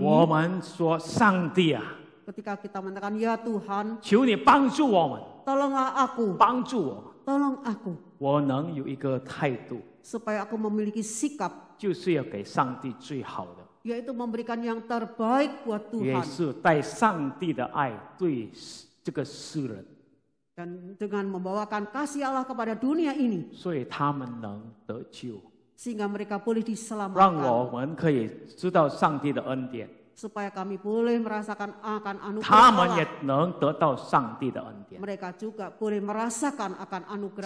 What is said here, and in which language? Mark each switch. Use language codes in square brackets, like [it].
[zh] 我们说上帝啊， [id] ketika kita mengatakan ya Tuhan， [zh] 求你帮助我们， [id] tolonglah aku， [zh] 帮助我， [id] tolong aku， [zh] 我能有一个态度， [id] supaya aku memiliki sikap， [zh] 就是要给上帝最好的， [id] yaitu memberikan yang terbaik buat Tuhan， [zh] 也是带上帝的爱对这个世人， [id] dan dengan membawakan kasih Allah kepada dunia ini， [zh] 所以他们能得救， [id] �ehingga mereka boleh diselamatkan， [zh] 让我们可以知道上帝的恩典， [id] supaya kami boleh merasakan akan anugerah， [zh] 他们也能得到上帝的恩典， [id] mereka juga boleh merasakan akan anugerah，